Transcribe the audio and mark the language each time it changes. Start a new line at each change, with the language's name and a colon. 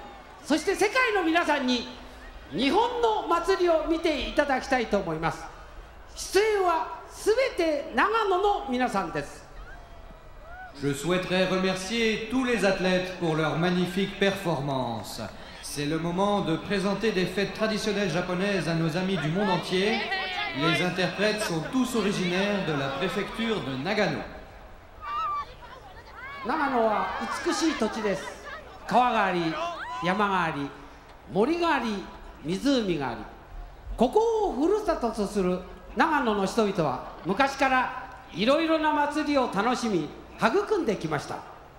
Japanese: ご苦労様でした。大きな拍手をありがとうございます。大きな声で選手の皆さんにありがとうって言いましょう。選手の皆さん、ありがとう。さあ、これからは選手の皆さんに、そして観客の皆さんに、そして世界の皆さんに、日本の祭りを見ていただきたいと思います。出演はすべて長野の皆さんです。
French: Je souhaiterais remercier tous les athlètes pour leur magnifique performance. C'est le moment de présenter des fêtes traditionnelles japonaises à nos amis du monde entier. Les interprètes sont tous originaires de la préfecture de Nagano.
Japanese: 長野は美しい土地です。川があり、山があり、森があり、湖があり、ここをふるさととする長野の人々は昔からいろいろな祭りを楽しみ育んできました。